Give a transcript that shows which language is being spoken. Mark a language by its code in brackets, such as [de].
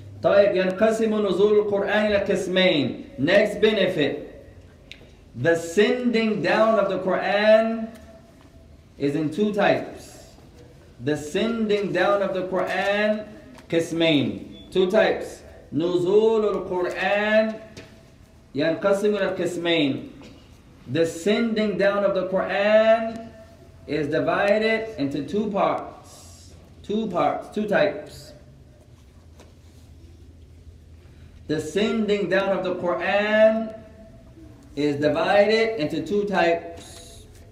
[ar] طيب ينقسم نزول القرآن إلى قسمين. [en] Next benefit. The sending down of the Quran is in two types. The sending down of the Quran, قسمين. Two types. [ar] نزول القرآن ينقسم إلى قسمين. [en] The sending down of the Quran is divided into two parts. Two parts, two types. The sending down of the Quran is divided into two types.